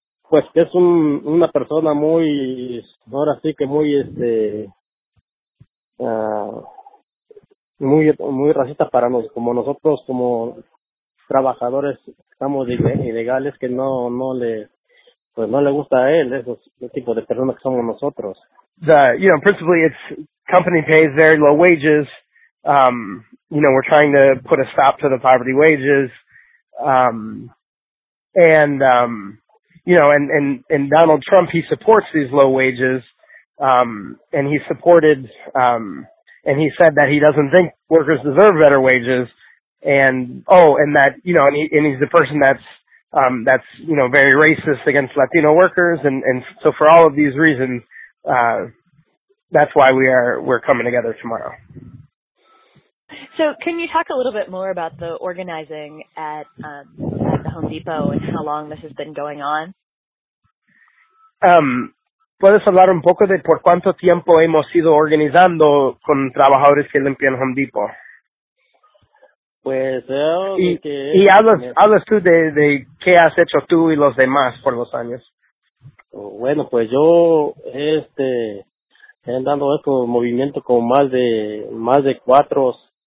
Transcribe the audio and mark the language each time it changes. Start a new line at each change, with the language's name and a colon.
Spanish: Pues que es una persona muy, ahora sí que muy, muy muy racista para nosotros, como nosotros como trabajadores estamos ilegales, que no le gusta a él ese tipo de personas que somos nosotros.
English: Principally it's company pays very low wages, we're trying to put a stop to the poverty wages, and Donald Trump, he supports these low wages, and he supported and he said that he doesn't think workers deserve better wages, and he's the person that's very racist against Latino workers, and so for all of these reasons, that's why we're coming together tomorrow. So can you talk a little bit more about the organizing at the Home Depot and how long this has been going on?
Spanish: ¿Puedes hablar un poco de por cuánto tiempo hemos ido organizando con trabajadores que limpian Home Depot? Pues yo... ¿Y hablas tú de qué has hecho tú y los demás por los años? Bueno, pues yo he andado estos movimientos como más de 4 o